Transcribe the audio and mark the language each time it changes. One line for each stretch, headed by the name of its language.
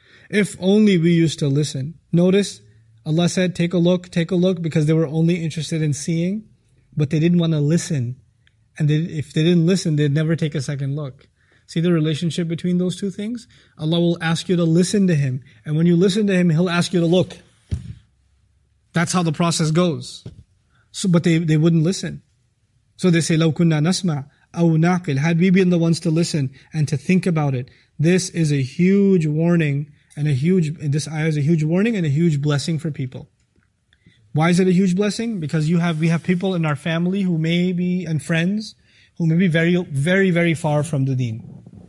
English: If only we used to listen. Notice, Allah said, take a look, because they were only interested in seeing, but they didn't want to listen. And if they didn't listen, they'd never take a second look. See the relationship between those two things? Allah will ask you to listen to Him. And when you listen to Him, He'll ask you to look. That's how the process goes. So, but they wouldn't listen.
Arabic: So they say, لَوْ كُنَّا نَسْمَعْ أَوْ نَعْقِلْ.
English: Had we been the ones to listen and to think about it, this is a huge warning and a huge, this ayah is a huge warning and a huge blessing for people. Why is it a huge blessing? Because we have people in our family who may be, and friends, who may be very, very, very far from the deen.